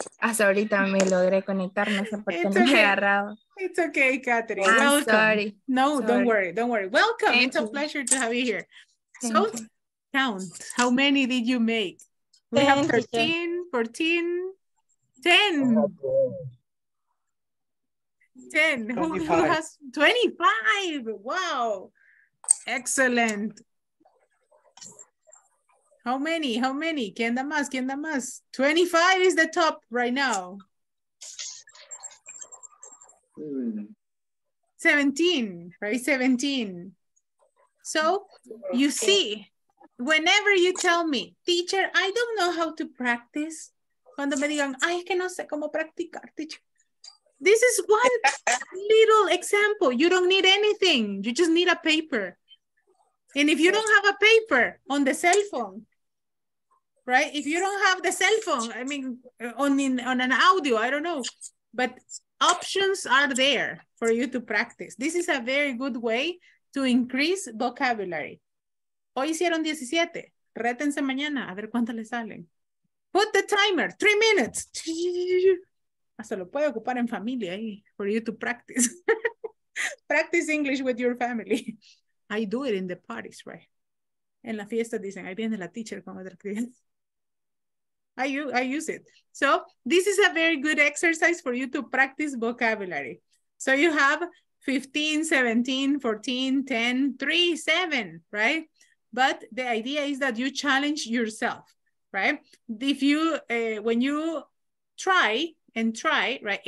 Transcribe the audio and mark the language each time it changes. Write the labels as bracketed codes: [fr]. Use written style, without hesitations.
[es] Hasta ahorita me logré conectar, no sé por qué me he agarrado. [en] It's okay, Catherine. Welcome. Sorry. No, sorry. Don't worry. Welcome. Thank it's you. A pleasure to have you here. Thank so, you. Count. How many did you make? We have 13, 14, 10. 10. Who has 25? Wow. Excellent. How many? [es] ¿Quién da más? [en] 25 is the top right now. 17, right? 17. So you see. Whenever you tell me, teacher, I don't know how to practice. [es] Cuando me digan, ay, es que no sé cómo practicar, teacher. [en] This is one little example. You don't need anything. You just need a paper. And if you don't have a paper on the cell phone, right? If you don't have the cell phone, I mean, on an audio, I don't know. But options are there for you to practice. This is a very good way to increase vocabulary. [es] Hoy hicieron 17. Rétense mañana a ver cuánto les salen. [en] Put the timer. 3 minutes. [es] Hasta lo puede ocupar en familia ahí. [en] For you to practice. Practice English with your family. I do it in the parties, right? [es] En la fiesta dicen, ahí viene la teacher con otra cliente. [en] I use it. So this is a very good exercise for you to practice vocabulary. So you have 15, 17, 14, 10, 3, 7, right? But the idea is that you challenge yourself, right? If you, when you try and try, right?